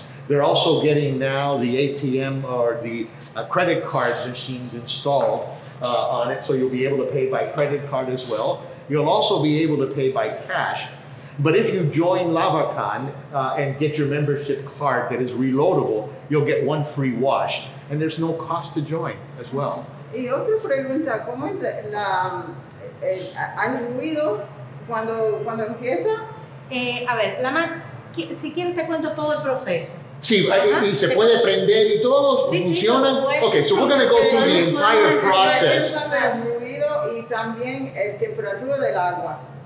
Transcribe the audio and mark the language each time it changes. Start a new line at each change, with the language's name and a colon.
English: They're also getting now the ATM or the credit card machines installed on it, so you'll be able to pay by credit card as well. You'll also be able to pay by cash. But if you join Lavacan and get your membership card that is reloadable, you'll get one free wash. And there's no cost to join as well.
Spanish: Y otra pregunta, ¿cómo es hay ruido cuando empieza? Si quieres te cuento todo el proceso. Sí, y se puede prender y todo, funciona.
English: Okay, so we're going to go through the entire process.
Spanish: El ruido y también la temperatura del agua.